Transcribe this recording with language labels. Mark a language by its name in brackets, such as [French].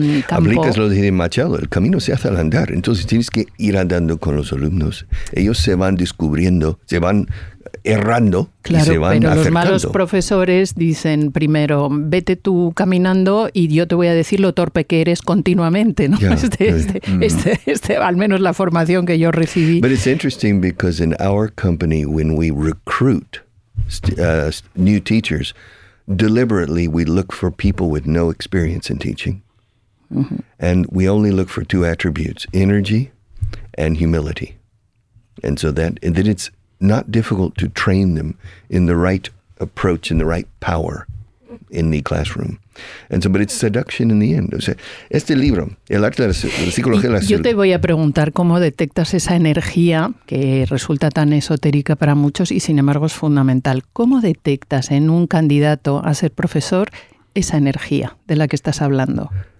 [Spanish] Aplicas lo de Machado, el camino se hace al andar, entonces tienes que ir andando con los alumnos, ellos se van descubriendo, se van errando, claro, y se van acercando. Pero los malos profesores dicen primero, vete tú caminando y yo te voy a decir lo torpe que eres continuamente, ¿no? Yeah, al menos la formación que yo recibí. [English] But it's interesting because in our company, when we recruit new teachers, deliberately we look for people with no experience in teaching. And we only look for two attributes, energy and humility. And so that it's not difficult to train them in the right approach, in the right power in the classroom. And so, but it's seduction in the end. [Spanish] O sea, este libro, El arte de la psicología de la seducción. Yo te voy a preguntar cómo detectas esa energía que resulta tan esotérica para muchos y sin embargo es fundamental. ¿Cómo detectas en un candidato a ser profesor esa energía de la que estás hablando?